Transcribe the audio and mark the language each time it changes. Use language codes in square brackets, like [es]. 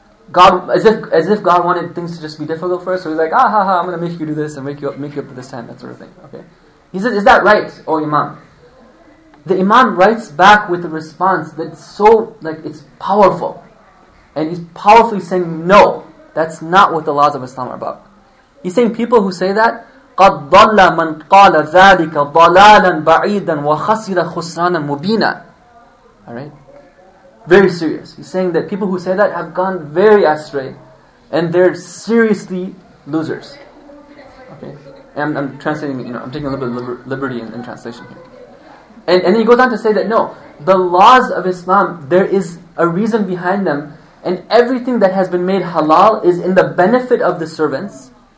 [en] God, as if God wanted things to just be difficult for us, so he's like, I'm going to make you do this and make you up for this time, that sort of thing. Okay. He says, is that right, O Imam? The Imam writes back with a response that's so, like, it's powerful. And he's powerfully saying, no, that's not what the laws of Islam are about. He's saying people who say that, [ar] قَدْ ضَلَّ مَنْ قَالَ ذَٰلِكَ ضَلَالًا بَعِيدًا وَخَسِرَ خُسْرَانًا مُبِينًا. [en] Alright? Very serious. He's saying that people who say that have gone very astray and they're seriously losers. Okay? And I'm translating, you know, I'm taking a little bit of liberty in translation here. And then he goes on to say that no, the laws of Islam, there is a reason behind them, and everything that has been made halal is in the benefit of the servants.